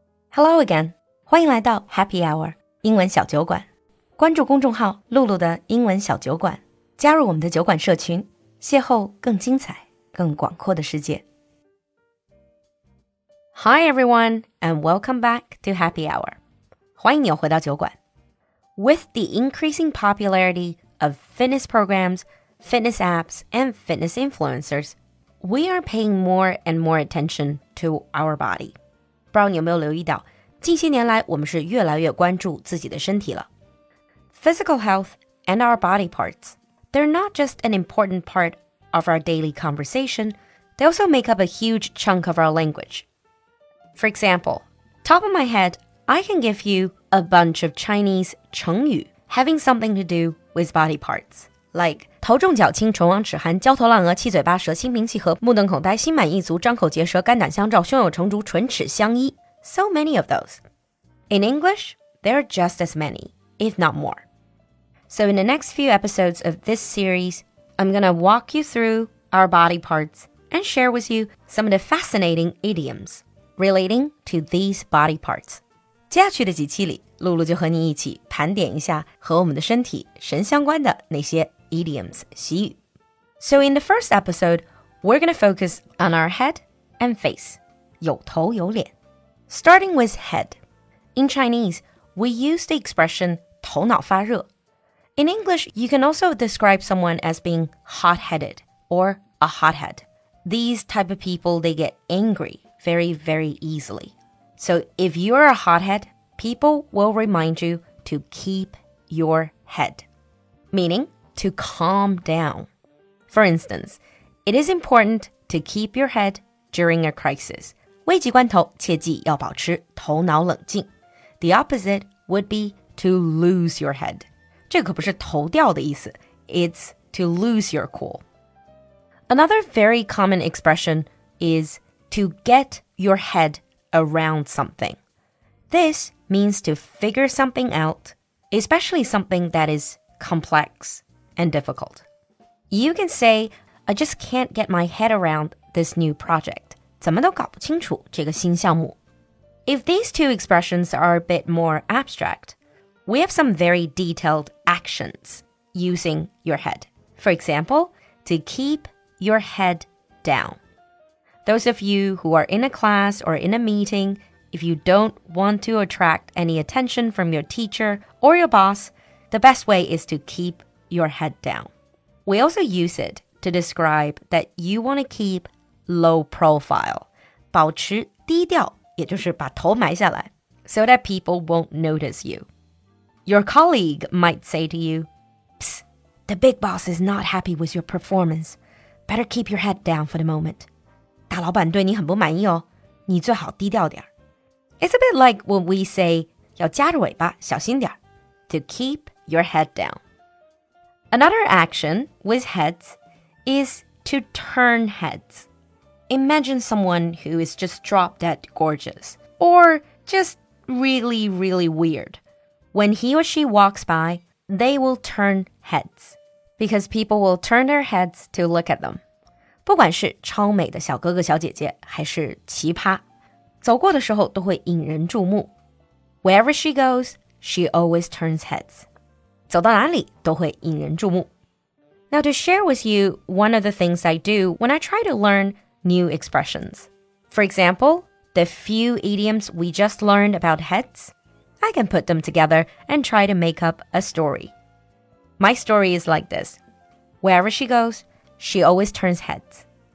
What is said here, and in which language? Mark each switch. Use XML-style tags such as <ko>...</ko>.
<en>Hello again,</en> <zh>欢迎来到 Happy Hour 英文小酒馆。关注公众号露露的英文小酒馆，加入我们的酒馆社群，邂逅更精彩、更广阔的世界。</zh> <en>Hi everyone, and welcome back to Happy Hour.</en> <zh>欢迎你回到酒馆。</zh> <en>With the increasing popularity of fitness programs, fitness apps, and fitness influencers, we are paying more and more attention to our body.</en> <zh>不知道你有没有留意到，近些年来我们是越来越关注自己的身体了。</zh> <en>Physical health and our body parts, they're not just an important part of our daily conversation, they also make up a huge chunk of our language. For example, top of my head, I can give you a bunch of Chinese 成语 having something to do with body parts, like</en> <zh>头重脚轻唇亡齿寒焦头烂额七嘴八舌心平气和目瞪口呆心满意足张口结舌肝胆相照胸有成竹唇齿相依</zh> <en>So many of those. In English, there are just as many, if not more. So in the next few episodes of this series, I'm going to walk you through our body parts and share with you some of the fascinating idioms relating to these body parts.</en> <zh>接下去的几期里露露就和你一起盘点一下和我们的身体神相关的那些idioms, 习语。</zh> <en>So in the first episode, we're going to focus on our head and face.</en> <zh>有头有脸。</zh> <en>Starting with head. In Chinese, we use the expression</en> <zh>头脑发热。</zh> <en>In English, you can also describe someone as being hot-headed or a hothead. These type of people, they get angry very, very easily. So if you're a hothead, people will remind you to keep your head. Meaning,to calm down. For instance, it is important to keep your head during a crisis.</en> <zh>危急关头切记要保持头脑冷静。</zh> <en>The opposite would be to lose your head.</en> <zh>这可不是头掉的意思。</zh> <en>It's to lose your cool. Another very common expression is to get your head around something. This means to figure something out, especially something that is complex. And difficult. You can say, I just can't get my head around this new project.</en> <zh>怎么都搞不清楚这个新项目。</zh> <en>If these two expressions are a bit more abstract, we have some very detailed actions using your head. For example, to keep your head down. Those of you who are in a class or in a meeting, if you don't want to attract any attention from your teacher or your boss, the best way is to keep your head down. We also use it to describe that you want to keep low profile, 保持低调，也就是把头埋下来， so that people won't notice you. Your colleague might say to you, Psst, the big boss is not happy with your performance. Better keep your head down for the moment.</en> <zh>大老板对你很不满意哦，你最好低调点。</zh> <en>It's a bit like when we say,</en> <zh>要夹着尾巴，小心点，</zh> <en>to keep your head down. Another action with heads is to turn heads. Imagine someone who is just drop dead gorgeous or just really, really weird. When he or she walks by, they will turn heads because people will turn their heads to look at them.</en> <zh>不管是超美的小哥哥小姐姐还是奇葩，走过的时候都会引人注目。</zh> <en>Wherever she goes, she always turns heads.</en> <zh>走到哪里都会引人注目。</zh> <en>Now to share with you one of the things I do when I try to learn new expressions. For example, the few idioms we just learned about heads, I can put them together and try to make up a story. My story is like this. Wherever she goes, she always turns heads.</en>